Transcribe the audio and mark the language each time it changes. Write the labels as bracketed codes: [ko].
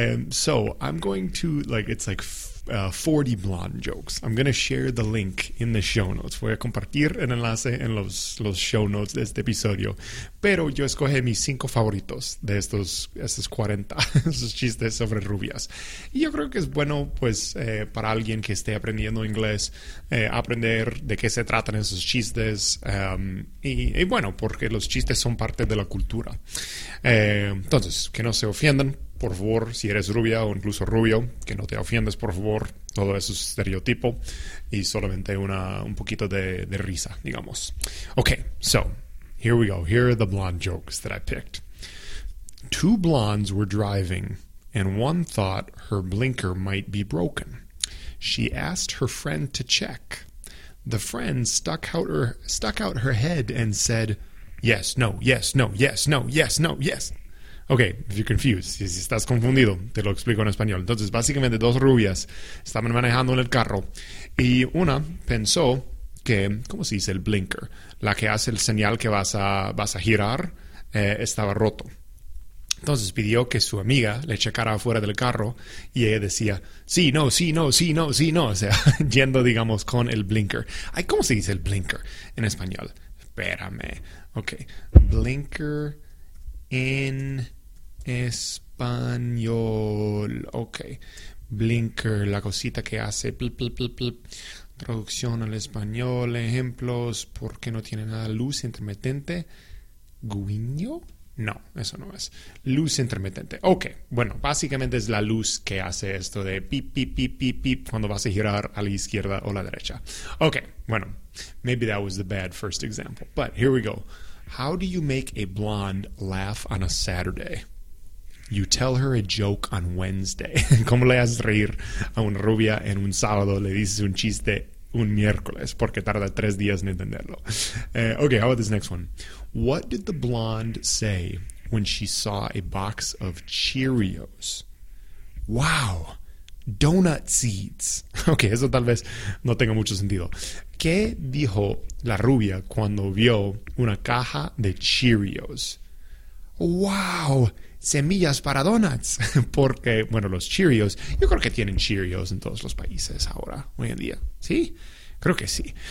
[en] So I'm going to, like, it's like 40 blonde jokes. I'm going to share the link in the show notes. [es] Voy a compartir el enlace en los show notes de este episodio. Pero yo escogí mis 5 favoritos de estos 40, esos chistes sobre rubias. Y yo creo que es bueno, pues, para alguien que esté aprendiendo inglés, aprender de qué se tratan esos chistes. Y bueno, porque los chistes son parte de la cultura. Entonces, que no se ofiendan. Por favor, si eres rubia o incluso rubio, que no te ofiendas, por favor. Todo eso es estereotipo y solamente un poquito de risa, digamos. [en] Okay, so, here we go. Here are the blonde jokes that I picked. Two blondes were driving, and one thought her blinker might be broken. She asked her friend to check. The friend stuck out her head and said, yes, no, yes, no, yes, no, yes, no, yes. Okay, if you're confused, [es] si estás confundido, te lo explico en español. Entonces, básicamente, dos rubias estaban manejando en el carro y una pensó que, ¿cómo se dice? El blinker, la que hace el señal que vas a girar, estaba roto. Entonces, pidió que su amiga le checara afuera del carro y ella decía, sí, no, sí, no, sí, no, sí, no. O sea, yendo, digamos, con el blinker. Ay, ¿cómo se dice el blinker en español? Espérame. Okay, blinker... En español, ok. Blinker, la cosita que hace. Pl, pl, pl, pl. Traducción al español, ejemplos, ¿por qué no tiene nada? Luz intermitente. ¿Guiño? No, eso no es. Luz intermitente. Ok, bueno, básicamente es la luz que hace esto de pip, pip, pip, pip, pip cuando vas a girar a la izquierda o la derecha. Ok, bueno, [en] maybe that was the bad first example, but here we go. How do you make a blonde laugh on a Saturday? You tell her a joke on Wednesday. [es] ¿Cómo le haces reír a una rubia en un sábado? Le dices un chiste un miércoles porque tarda 3 días en entenderlo. [en] Okay, how about this next one? What did the blonde say when she saw a box of Cheerios? Wow, donut seeds. [es] Okay, eso tal vez no tenga mucho sentido. ¿Qué dijo la rubia cuando vio una caja de Cheerios? ¡Wow! Semillas para donuts. Porque, bueno, los Cheerios, yo creo que tienen Cheerios en todos los países ahora, hoy en día. ¿Sí? Creo que sí.